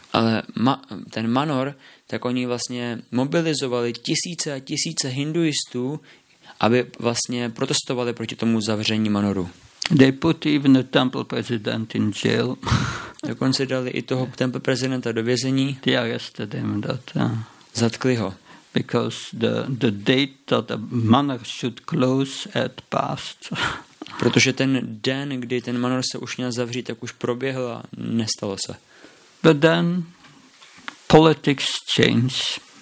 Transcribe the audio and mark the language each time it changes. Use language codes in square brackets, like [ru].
[cs] Ale ten manor, tak oni vlastně mobilizovali tisíce a tisíce hinduistů, aby vlastně protestovali proti tomu zavření manoru. [en] They put even the temple president in jail. [cs] Dokonce dali i toho temple prezidenta do vězení. [en] They arrested him, [cs] Zatkli ho. [en] Because the date that the manor should close had passed. [cs] Protože ten den, kdy ten manor se už měl zavřít, tak už proběhl a nestalo se. [en] But then politics changed.